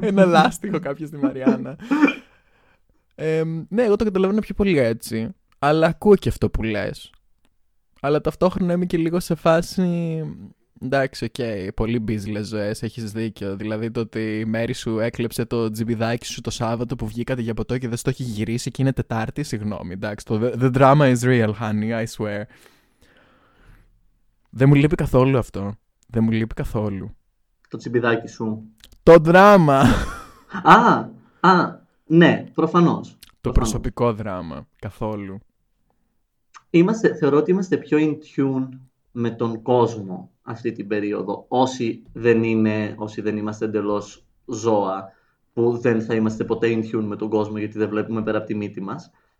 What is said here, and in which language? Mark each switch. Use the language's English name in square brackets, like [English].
[Greek] Ένα λάστιχο κάποιο στη Μαριάννα. Ναι, εγώ το καταλαβαίνω πιο πολύ έτσι. Αλλά ακούω και αυτό που λες. Αλλά ταυτόχρονα είμαι και λίγο σε φάση. Εντάξει, οκ, okay, πολύ μπίζλες ζωές, έχεις δίκιο. Δηλαδή το ότι η Μέρη σου έκλεψε το τζιμπιδάκι σου το Σάββατο που βγήκατε για ποτό και δεν στο έχει γυρίσει και είναι Τετάρτη, συγγνώμη, εντάξει. [English] The drama is real, honey, I swear. [Greek] Δεν μου λείπει καθόλου αυτό. Δεν μου λείπει καθόλου. Το τζιμπιδάκι σου. Το δράμα! Α, ναι, προφανώς. Το προσωπικό δράμα, καθόλου. Θεωρώ ότι είμαστε πιο [English] in tune [Greek] με τον κόσμο αυτή την περίοδο, όσοι δεν είμαστε εντελώς ζώα, που δεν θα είμαστε ποτέ in tune με τον κόσμο γιατί δεν βλέπουμε πέρα από τη μύτη μας.